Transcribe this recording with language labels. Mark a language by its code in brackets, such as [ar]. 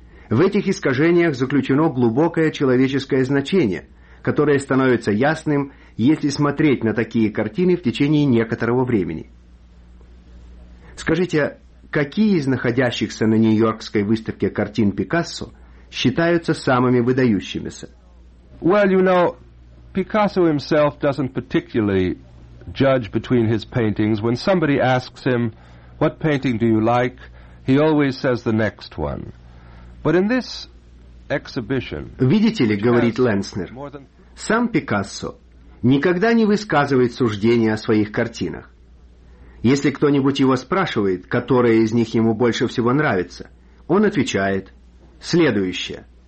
[ru] В этих искажениях заключено глубокое человеческое значение, которое становится ясным, если смотреть на такие картины в течение некоторого времени. Скажите, какие из находящихся на Нью-Йоркской выставке картин Пикассо считаются самыми выдающимися? [en] Well, you know, Picasso himself doesn't particularly judge between his paintings. When somebody asks him, "What painting do you like?" he always says the next one. But in this exhibition, [ru] видите ли, говорит Ленснер, сам Пикассо никогда не высказывает суждения о своих картинах. Если кто-нибудь его спрашивает, которая из них ему больше всего нравится, он отвечает: следующее.